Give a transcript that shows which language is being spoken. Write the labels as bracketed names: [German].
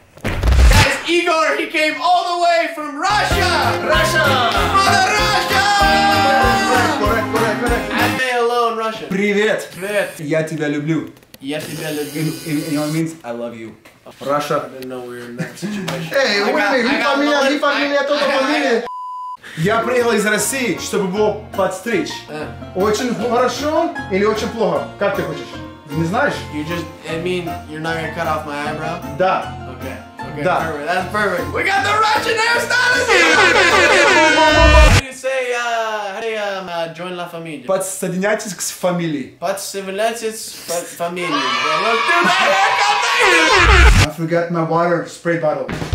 [English] Guys, Igor, he came all the way from Russia! Russia! Mother Russia! Correct. I say hello in Russian. [Russian] Привет! Я тебя люблю. Я тебя люблю. [English] You know what it means? I love you. Oh, Russia. I didn't know we were in that situation. Hey, wait a minute. Ri familia, toto. [Russian] Я приехал из России, чтобы было подстричь. Очень хорошо или очень плохо? Как ты хочешь? Не знаешь? [English] You just, I mean, you're not gonna cut off my eyebrow? [Russian] Да. [English] Okay, да. Perfect. That's perfect. We got the Russian hairstylist here! What do you say, join la familia? [Russian] Подсоединяйтесь к фамилии. Подсоединяйтесь к фамилии. [English] Let's do that haircut thing! I forgot my water spray bottle.